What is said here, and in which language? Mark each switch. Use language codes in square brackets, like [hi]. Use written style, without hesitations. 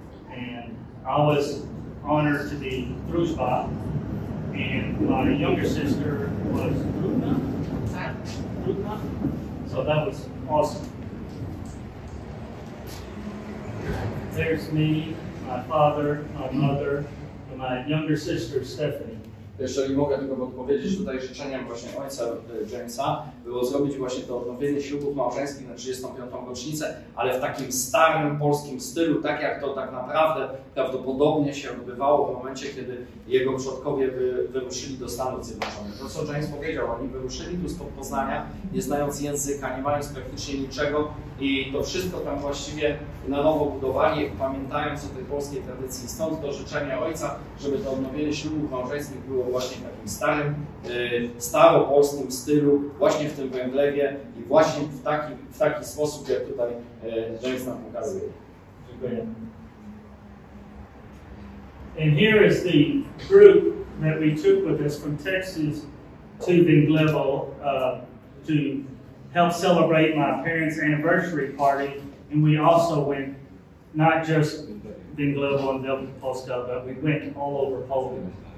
[en] And I was honored to be druzba, and my younger sister was druzba. So that was awesome. There's me, my father, my mother, and my younger sister, Stephanie. [pl] Jeżeli mogę tylko odpowiedzieć tutaj życzeniem właśnie ojca Jamesa, było zrobić właśnie to odnowienie ślubów małżeńskich na 35. rocznicę, ale w takim starym polskim stylu, tak jak to tak naprawdę prawdopodobnie się odbywało w momencie, kiedy jego przodkowie wyruszyli do Stanów Zjednoczonych. To, co James powiedział, oni wyruszyli tu spod Poznania, nie znając języka, nie mając praktycznie niczego i to wszystko tam właściwie na nowo budowali, pamiętając o tej polskiej tradycji. Stąd to życzenie ojca, żeby to odnowienie ślubów małżeńskich było właśnie w takim starym, staropolskim stylu, właśnie w tym węglewie i właśnie w taki sposób, jak tutaj James nam pokazuje. Dziękuję. [en] And here is the group that we took with us from Texas to Venglevo to help celebrate my parents' anniversary party. And we also went not just Venglevo and Polska, but we went all over Poland.